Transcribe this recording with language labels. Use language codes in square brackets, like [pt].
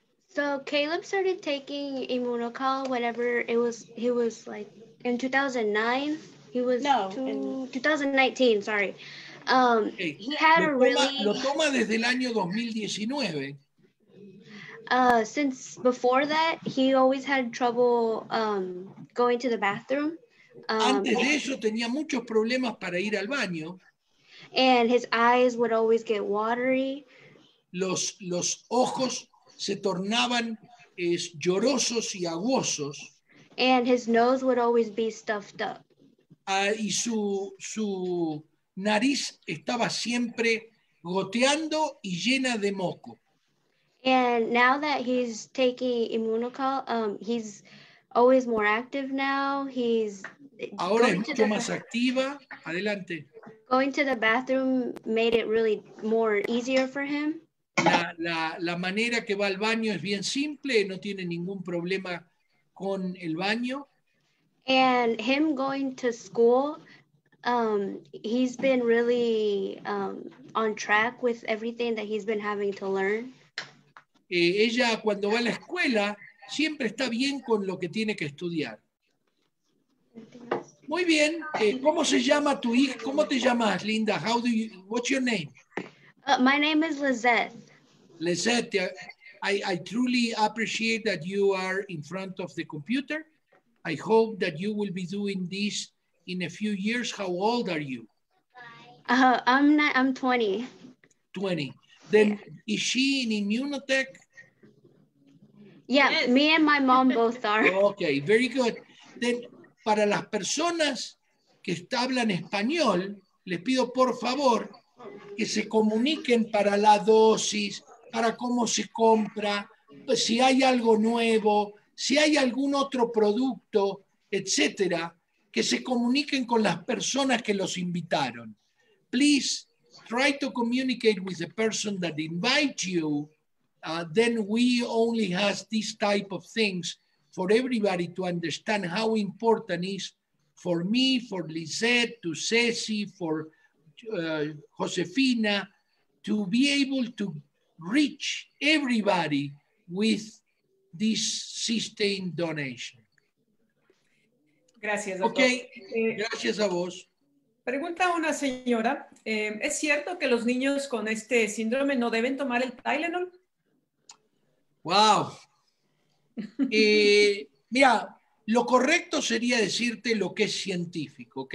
[en] So Caleb started taking immunocal whenever it was, he was like in 2009. He was 2019, sorry. He had [es] Lo toma desde el año 2019. [en] Since before that, he always had trouble going to the bathroom. [es] Antes de eso, tenía muchos problemas para ir al baño. [en] And his eyes would always get watery. [es] Los ojos se tornaban llorosos y aguosos. [en] And his nose would always be stuffed up. [es] Y su nariz estaba siempre goteando y llena de moco. [en] And now that he's taking immunocal, he's always more active now. He's [es] ahora going es mucho más activa. Adelante. [en] Going to the bathroom made it really more easier for him. [es] La manera que va al baño es bien simple, no tiene ningún problema con el baño. [en] And him going to school, he's been really on track with everything that he's been having to learn. [es] Ella cuando va a la escuela siempre está bien con lo que tiene que estudiar. Muy bien. ¿Cómo se llama tu hija? ¿Cómo te llamas, Linda? [en] How do you? What's your name? My name is Lizette. Lizette, I truly appreciate that you are in front of the computer. I hope that you will be doing this in a few years. How old are you? I'm 20. 20. Then yeah. Is she in Immunotech? Yeah, yes. Me and my mom both are. Okay, very good. [es] Then, para las personas que hablan español, les pido por favor que se comuniquen para la dosis, para cómo se compra, si hay algo nuevo, si hay algún otro producto, etcétera, que se comuniquen con las personas que los invitaron. [en] Please try to communicate with the person that invites you. Then we only have this type of things for everybody to understand how important it is for me, for Lizette, to Ceci, for Josefina, to be able to reach everybody with this sustained donation. [es] Gracias, doctor. Okay, gracias a vos. Pregunta una señora, ¿es cierto que los niños con este síndrome no deben tomar el Tylenol? Wow. Mira, lo correcto sería decirte lo que es científico, ¿ok?